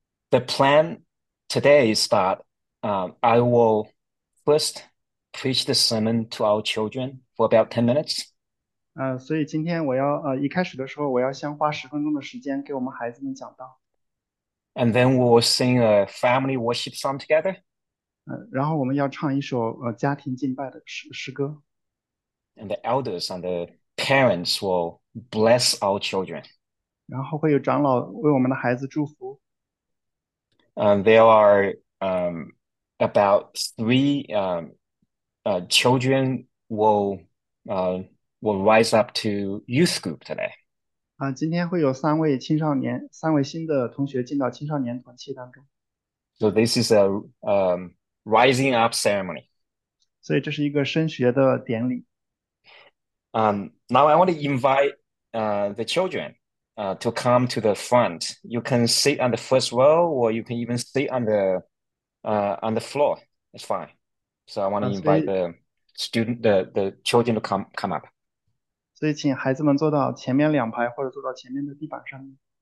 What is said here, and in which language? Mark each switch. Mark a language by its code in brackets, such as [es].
[en] The plan today is that I will first preach the sermon to our children for about 10 minutes. [zh] 所以今天我要一开始的时候，我要先花10分钟的时间给我们孩子们讲道。 [en] And then we will sing a family worship song together. [zh] 然后我们要唱一首家庭敬拜的诗歌。 [en] And the elders and the parents will bless our children. [zh] 然后会有长老为我们的孩子祝福。 [en] There are about three children will rise up to youth group today. [zh] 今天会有三位新的同学进到青少年团契当中。 [en] So this is a rising up ceremony. [zh] 所以这是一个升学的典礼。 [en] Now I want to invite the children to come to the front. You can sit on the first row, or you can even sit on the floor. It's fine. So I want to invite the children to come up. [zh] 所以请孩子们坐到前面两排，或者坐到前面的地板上面。